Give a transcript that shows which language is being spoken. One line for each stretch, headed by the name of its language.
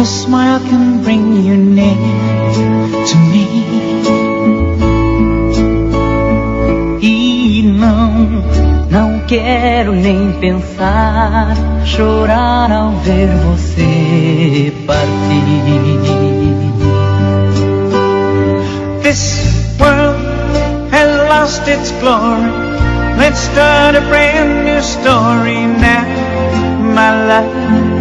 English: A smile can bring you near to me.
Portuguese: E não quero nem pensar, chorar ao ver você partir.
English: This world has lost its glory. Let's start a brand new story now, my love.